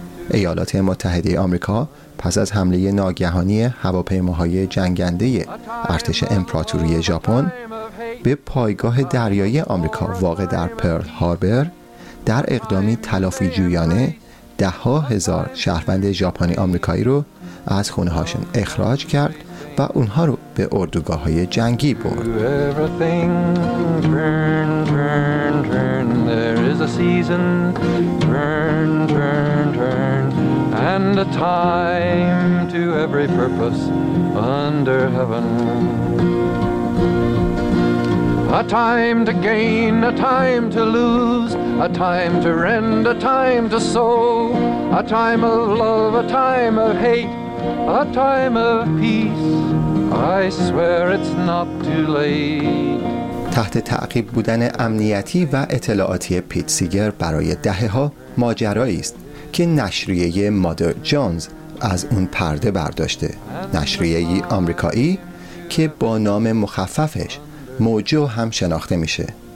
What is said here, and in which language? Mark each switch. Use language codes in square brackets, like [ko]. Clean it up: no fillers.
[fa] ایالات متحده آمریکا پس از حمله ناگهانی هواپیماهای جنگنده ارتش امپراتوری ژاپن به پایگاه دریایی آمریکا واقع در پرل هاربر در اقدامی تلافی جویانه ده‌ها هزار شهروند ژاپنی آمریکایی رو از خونه‌هاشون اخراج کرد و اونها رو به اردوگاه‌های جنگی برد. [en] There is a season, turn, turn, turn, and a time to every purpose under heaven. A time to gain, a time to lose, a time to rend, a time to sow, a time of love, a time of hate, a time of peace. I swear it's not too late. [fa] تحت تعقیب بودن امنیتی و اطلاعاتی پیت سیگر برای دهه‌ها ماجرایی است که نشریه مادر جونز از اون پرده برداشته. نشریه آمریکایی که با نام مخففش موجو هم شناخته میشه.